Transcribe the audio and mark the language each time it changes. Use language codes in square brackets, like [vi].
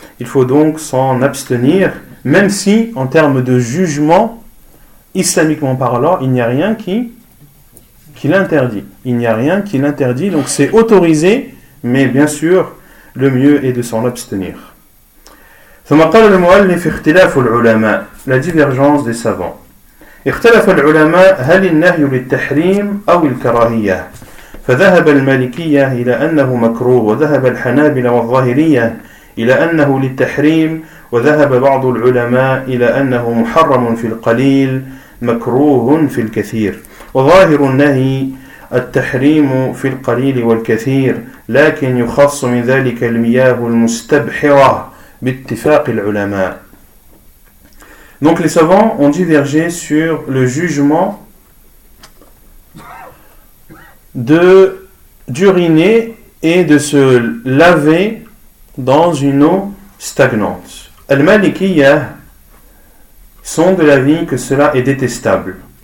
[fr] Il faut donc s'en abstenir, même si en termes de jugement, islamiquement parlant, il n'y a rien qui l'interdit. Il n'y a rien qui l'interdit, donc c'est autorisé, mais bien sûr, le mieux est de s'en abstenir. [ar] ثم قال المؤلف اختلاف العلماء, [fr] la divergence des savants. [ar] اختلاف العلماء هل النهي للتحريم أو الكراهية؟ فذهب المالكية إلى أنه مكروه وذهب الحنابلة والظاهرية إلى أنه للتحريم وذهب بعض العلماء إلى أنه محرم في القليل مكروه في الكثير وظاهر النهي التحريم في القليل والكثير لكن يخص من ذلك المياه المستبحرة باتفاق العلماء. [fr] Donc les savants ont divergé sur le jugement d'uriner et de se laver dans une eau stagnante. Al-Malikiyah sont de l'avis que cela est détestable.